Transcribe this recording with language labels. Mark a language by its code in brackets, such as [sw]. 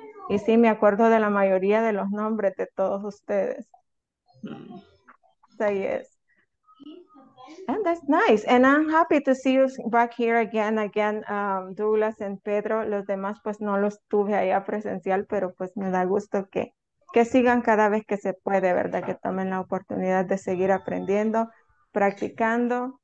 [es] Y sí, me acuerdo de la mayoría de los nombres de todos ustedes. [en] So yes. And that's nice. And I'm happy to see you back here again, Douglas and Pedro. [es] Los demás, pues, no los tuve allá presencial, pero pues me da gusto que sigan cada vez que se puede, ¿verdad? Que tomen la oportunidad de seguir aprendiendo, practicando.